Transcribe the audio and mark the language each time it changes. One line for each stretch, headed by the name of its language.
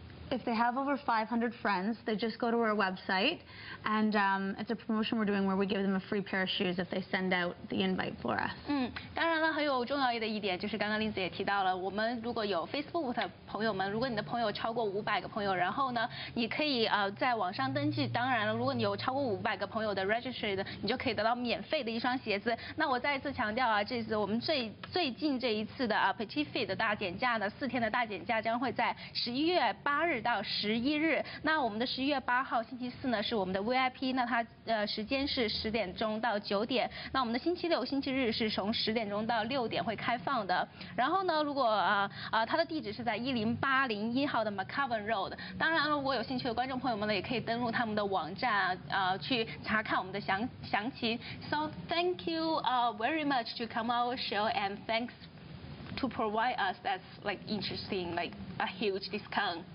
English: If they have over 500 friends, they just go to our website, and it's a promotion we're doing where we give them a free pair of shoes if they send out the invite for us.
Chinese: 当然了，很有重要的一点就是刚刚林子也提到了，我们如果有 Facebook 的朋友们，如果你的朋友超过500个朋友，然后呢，你可以在网上登记。当然了，如果你有超过500个朋友的 registered， 你就可以得到免费的一双鞋子。那我再一次强调啊，这次我们最近这一次的Petit Fit 的大减价呢，四天的大减价将会在11月8日。到11日，那我们的11月8号星期四呢是我们的 VIP， 那它时间是10点钟到9点，那我们的星期六星期日是从10点钟到6点会开放的。然后呢，如果它的地址是在10801号的 McCowan Road， 当然了，如果有兴趣的观众朋友们呢，也可以登录他们的网站去查看我们的详情。
English: So thank you very much to come our show and thanks to provide us that's like interesting like a huge discount.